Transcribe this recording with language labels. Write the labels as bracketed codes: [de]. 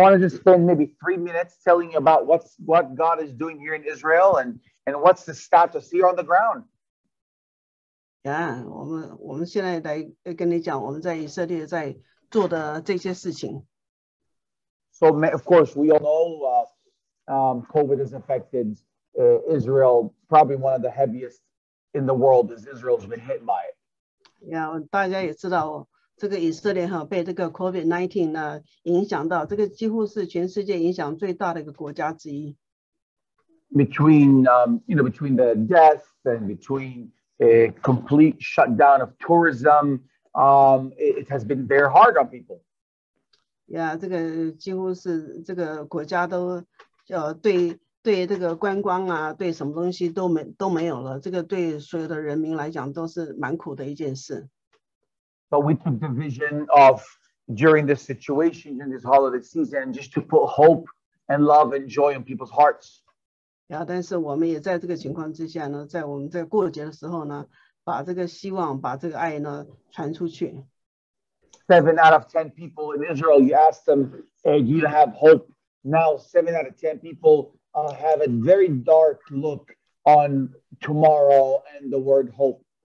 [en] want to just spend maybe 3 minutes telling you about what God is doing here in Israel and what's the status here on the ground. [zh] Yeah, 我们现在来跟你讲我们在以色列在做的这些事情。 [en] So of course we all know COVID has affected Israel, probably one of the heaviest in the world as Israel's been hit by it. [zh] Yeah, 大家也知道这个以色列被这个 COVID-19 影响到，这个几乎是全世界影响最大的一个国家之一。 [en] Between the death and between a complete shutdown of tourism, it has been very hard on people. [zh] Yeah, 这个几乎是这个国家都对这个观光啊，对什么东西都没有了。这个对所有的人民来讲都是蛮苦的一件事。But [en] we took the vision of during this situation in this holiday season just to put hope and love and joy in people's hearts. [zh] Yeah, 但是我们也在这个情况之下呢，在我们在过节的时候呢，把这个希望，把这个爱呢传出去。 [en] 7 out of 10 people in Israel, you ask them, do you have hope? Now 7 out of 10 people have a very dark look on tomorrow and the word hope.